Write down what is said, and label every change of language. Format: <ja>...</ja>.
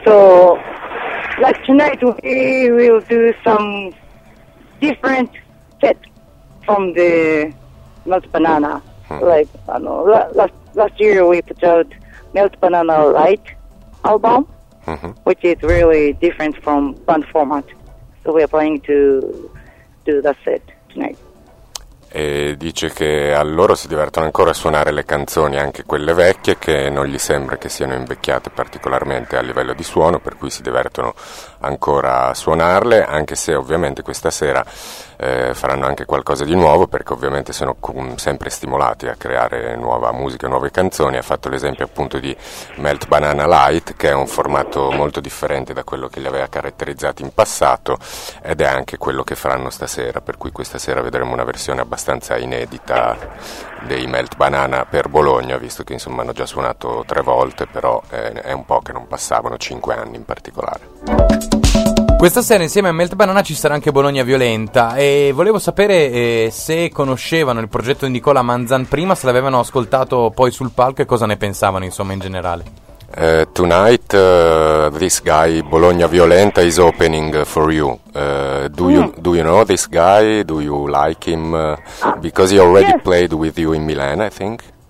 <en>So like tonight we will do some different set from the Melt Banana. Like last year we put out Melt Banana Light album, which is really different from band format, so we are planning to do that set tonight.</en> <it>E dice che a loro si divertono ancora a suonare le canzoni, anche quelle vecchie, che non gli sembra che siano invecchiate particolarmente a livello di suono, per cui si divertono ancora a suonarle, anche se ovviamente questa sera faranno anche qualcosa di nuovo, perché ovviamente sono sempre stimolati a creare nuova musica, nuove canzoni. Ha fatto l'esempio appunto di Melt Banana Light, che è un formato molto differente da quello che li aveva caratterizzati in passato, ed è anche quello che faranno stasera, per cui questa sera vedremo una versione abbastanza inedita dei Melt Banana per Bologna, visto che insomma hanno già suonato 3 volte, però è un po' che non passavano, 5 anni in particolare. Questa sera insieme a Melt Banana ci sarà anche Bologna Violenta, e volevo sapere se conoscevano il progetto di Nicola Manzan prima, se l'avevano ascoltato poi sul palco, e cosa ne pensavano insomma in generale.</it> <en>Tonight this guy Bologna Violenta is opening for you. Do you know this guy? Do you like him? Because he already played with you in Milan, I think.</en>